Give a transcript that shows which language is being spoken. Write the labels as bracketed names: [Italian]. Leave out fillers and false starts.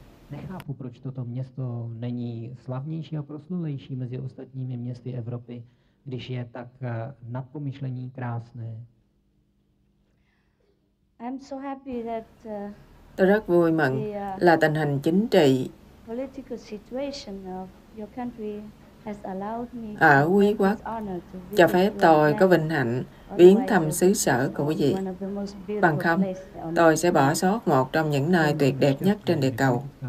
[Czech] Nechápu, proč toto město není slavnější a proslulejší mezi ostatními městy Evropy, když je tak nadpomyšlení krásné. [English] I'm so happy that [Vietnamese] tôi rất vui mừng là tình hình chính trị [English] political situation of your country [Vietnamese] ở quý quốc cho phép tôi có vinh hạnh viếng thăm xứ sở của quý vị. Bằng không, tôi sẽ bỏ sót một trong những nơi tuyệt đẹp nhất trên địa cầu.